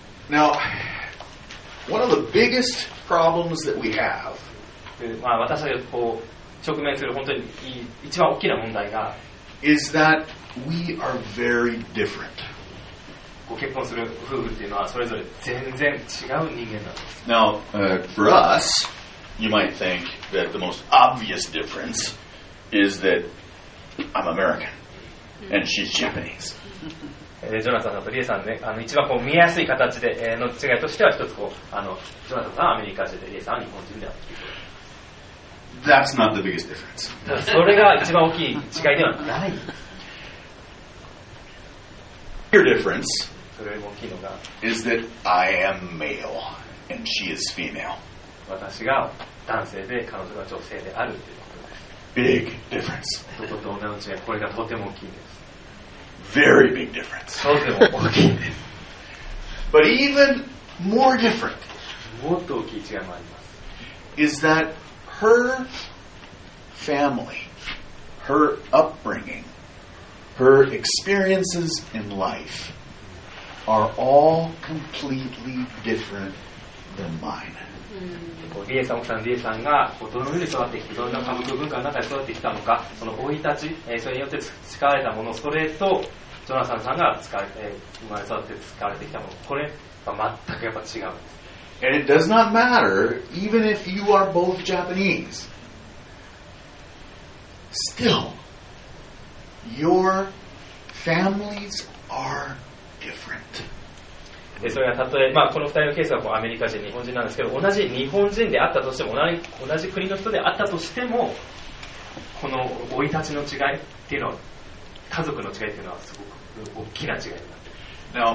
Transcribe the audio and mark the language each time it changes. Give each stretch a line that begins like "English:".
English: Now, one of the biggest problems that we have.
Japanese: まあ私がこう直面する本当に一番大きな問題が
English: is that we are very different.
Japanese: ご結婚する夫婦っていうのはそれぞれ全然違う人間なんです。
English: Now, for us, you might think that the most obvious difference. Is that I'm American and she's Japanese.
Japanese: ジョナサンさんとリエさんね、あの一番こう見えやすい形での違いとしては一つこうあのジョナサンさんはアメリカ人でリエさんは日本人であるということ。
English: That's not the biggest difference.
Japanese: それが一番大きい違いではない。
English: Your difference.
Japanese: それより大きいのが
English: is that I am male and she is female.
Japanese: 私が男性で彼女が女性であるという。
English: Big difference.
Japanese: とてもとても違う。これがとても大きいです。
English: Very big difference.
Japanese: とても大きいです。
English: But even more different.
Japanese: もっと大きい違いもあります。
English: Is that her family, her upbringing, her experiences in life are all completely different than mine.
Japanese: リエさん奥さんリエさんがどのように育ってきてどんな家族文化の中で育ってきたのかその生い立ちそれによって培われたものそれとジョナサンさんが生まれ育って培われてきたものこれは全くやっぱ違うんです
English: And it does not matter even if you are both Japanese still your families are different
Japanese: それはたとえ、まあ、この二人のケースはこうアメリカ人、日本人なんですけど同じ日本人であったとしても同じ国の人であったとしてもこの生い立ちの違いっていうのは家族の違いっていうのはすごく大きな違いにな